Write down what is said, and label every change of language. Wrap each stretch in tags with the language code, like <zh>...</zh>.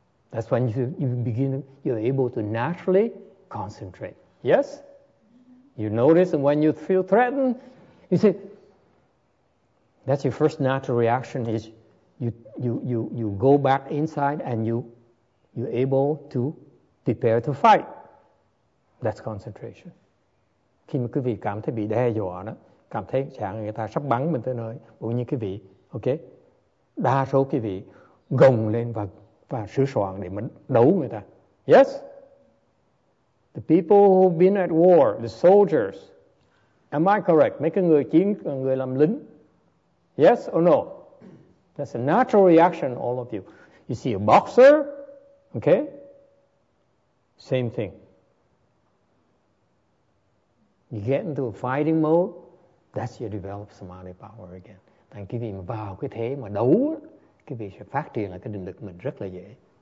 <en>That's when you're able to naturally concentrate. Yes? You notice, and when you feel threatened, you say, that's your first natural reaction, is you go back inside and you're able to prepare to fight. That's concentration.</en> <vi>Khi mà quý vị cảm thấy bị đe dọa đó, cảm thấy chẳng người ta sắp bắn mình tới nơi, bỗng nhiên quý vị, ok, đa số quý vị gồng lên và và sứ soạn để mà đấu người ta.</vi> <en>Yes. The people who've been at war, the soldiers. Am I correct?</en> <vi>Mấy cái người chiến, người làm lính.</vi> <en>Yes or no? That's a natural reaction, all of you. You see a boxer, okay? Same thing. You get into a fighting mode, that's you develop samadhi power again.</en> <vi>Thì quý vị mà vào cái thế mà đấu, quý vị sẽ phát triển lại cái định lực mình rất là dễ.</vi>